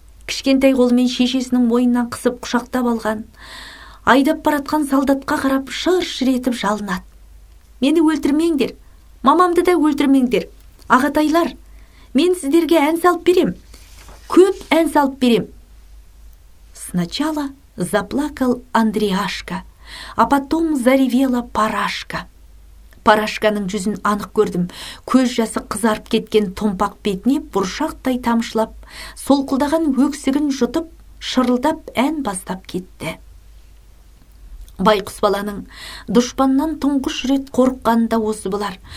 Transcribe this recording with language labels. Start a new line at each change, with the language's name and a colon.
Kazakh: Кішкентай қолымен шешесінің мойнынан қысып құшақтап алған, айдап баратқан солдатқа қарап шыр-шыр етіп жалынады. Мені өлтірмеңдер. Мамамды да өлтірмеңдер. Ағатайлар, мен сіздерге ән салып берем. Көп ән салып берем.
Russian: Сначала заплакал Андриашка, а потом заревела Парашка.
Kazakh: Парашканың жүзін анық көрдім. Көз жасы қызарып кеткен томпақ бетіне бұршақтай тамшылап, солқылдаған өксігін жұтып, шырылдап ән бастап кетті. Байқұс баланың дұшпаннан тұңғыш рет қорыққанда осы болар.